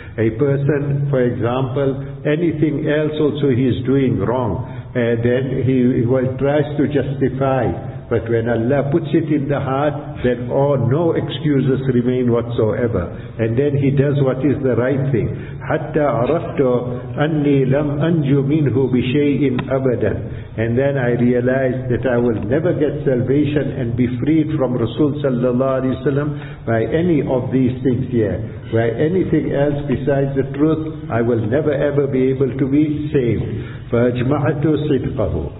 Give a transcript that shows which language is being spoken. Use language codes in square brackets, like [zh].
[en] A person, for example, anything else also he is doing wrong, then he tries to justify. But when Allah puts it in the heart, then no excuses remain whatsoever. And then he does what is the right thing. [ar] حَتَّى عَرَفْتُ أَنِّي لَمْ أَنْجُ مِنْهُ بِشَيْءٍ أَبَدًا. [en] And then I realized that I will never get salvation and be freed from Rasul sallallahu alayhi wa sallam by any of these things here. By anything else besides the truth, I will never ever be able to be saved. [ar] فَأَجْمَعَتُ صِدْقَهُ.